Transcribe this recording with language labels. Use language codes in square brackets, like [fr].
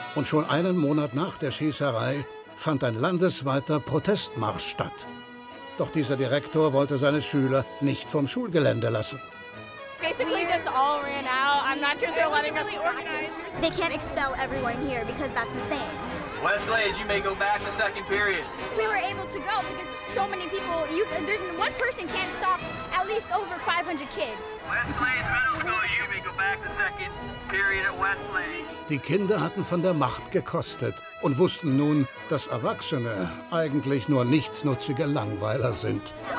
[de] Und schon einen Monat nach der Schießerei fand ein landesweiter Protestmarsch statt. Doch dieser Direktor wollte seine Schüler nicht vom Schulgelände lassen. [en] Basically, we're, just all ran out. I'm not sure they're letting us organize. They can't expel everyone here because that's insane. Westlade, you may go back in the second period. We were able to go because so many people, there's one person can't stop at least over 500 kids. Westlade's middle school, you may go back the second period at Westlade. [de] Die Kinder hatten von der Macht gekostet und wussten nun, dass Erwachsene eigentlich nur nichtsnutzige Langweiler sind.